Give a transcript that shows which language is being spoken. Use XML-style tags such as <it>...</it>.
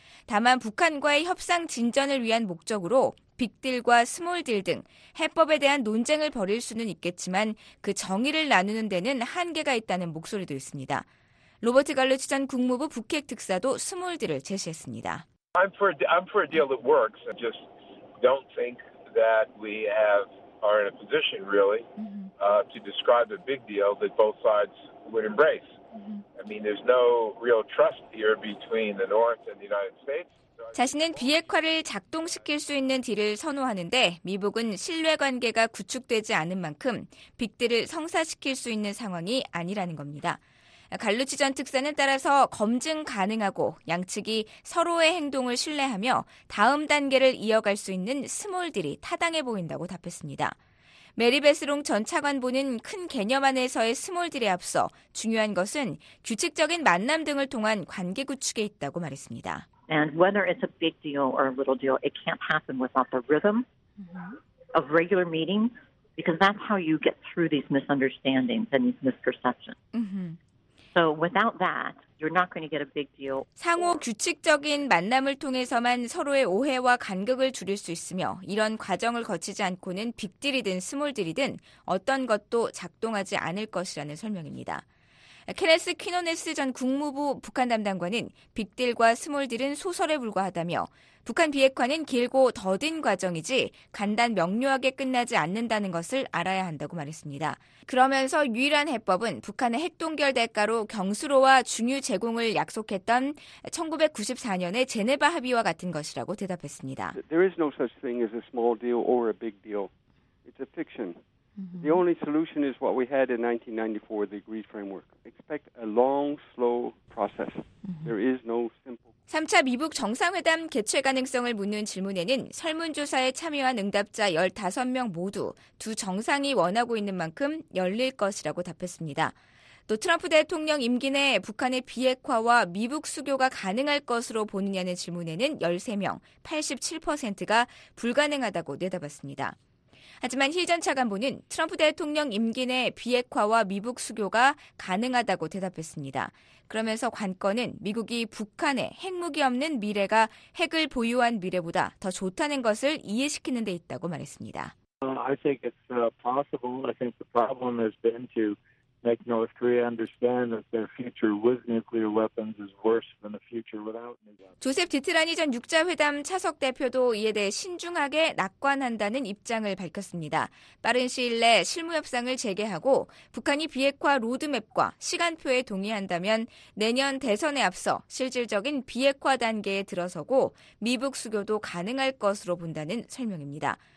<ko>다만 북한과의 협상 진전을 위한 목적으로 빅딜과 스몰딜 등 해법에 대한 논쟁을 벌일 수는 있겠지만 그 정의를 나누는 데는 한계가 있다는 목소리도 있습니다. 로버트 갈루치 전 국무부 북핵 특사도 스몰딜을 제시했습니다.</ko> <en>I'm for a deal that works. I just don't think that we are in a position really to describe a big deal that both sides would embrace. I mean, there's no real trust here between the North and the United States.</en> <ko>자신은 비핵화를 작동시킬 수 있는 딜을 선호하는데 미국은 신뢰관계가 구축되지 않은 만큼 빅딜을 성사시킬 수 있는 상황이 아니라는 겁니다. 갈루치 전 특사는 따라서 검증 가능하고 양측이 서로의 행동을 신뢰하며 다음 단계를 이어갈 수 있는 스몰딜이 타당해 보인다고 답했습니다. 메리 베스롱 전 차관보는 큰 개념 안에서의 스몰딜에 앞서 중요한 것은 규칙적인 만남 등을 통한 관계 구축에 있다고 말했습니다.</ko> <en>And whether it's a big deal or a little deal, it can't happen without the rhythm of regular meetings, because that's how you get through these misunderstandings and these misperceptions. So without that, you're not going to get a big deal.</en> <ko>상호 규칙적인 만남을 통해서만 서로의 오해와 간극을 줄일 수 있으며 이런 과정을 거치지 않고는 빅딜이든 스몰딜이든 어떤 것도 작동하지 않을 것이라는 설명입니다. 케네스 퀴노네스 전 국무부 북한 담당관은 빅딜과 스몰딜은 소설에 불과하다며 북한 비핵화는 길고 더딘 과정이지 간단 명료하게 끝나지 않는다는 것을 알아야 한다고 말했습니다. 그러면서 유일한 해법은 북한의 핵동결 대가로 경수로와 중유 제공을 약속했던 1994년의 제네바 합의와 같은 것이라고 대답했습니다.</ko> <en>There is no such thing as a small deal or a big deal. It's a fiction. The only solution is what we had in 1994, the agreed framework. Expect a long, slow process. There is no simple.</en> <ko>3차 미북 정상회담 개최 가능성을 묻는 질문에는 설문조사에 참여한 응답자 15명 모두 두 정상이 원하고 있는 만큼 열릴 것이라고 답했습니다. 또 트럼프 대통령 임기 내 북한의 비핵화와 미북 수교가 가능할 것으로 보느냐는 질문에는 13명, 87%가 불가능하다고 내다봤습니다. 하지만 힐 전 차관보는 트럼프 대통령 임기 내 비핵화와 미북 수교가 가능하다고 대답했습니다. 그러면서 관건은 미국이 북한의 핵무기 없는 미래가 핵을 보유한 미래보다 더 좋다는 것을 이해시키는 데 있다고 말했습니다.</ko> <en>I think it's possible. I think the problem has been to make North Korea understand that their future with nuclear weapons is worse than the future without nuclear weapons.</en> <ko>조셉 디트라니 전 6자회담 차석 대표도 이에 대해 신중하게 낙관한다는 입장을 밝혔습니다. 빠른 시일 내 실무협상을 재개하고 북한이 비핵화 로드맵과 시간표에 동의한다면 내년 대선에 앞서 실질적인 비핵화 단계에 들어서고 미북 수교도 가능할 것으로 본다는 설명입니다.</ko>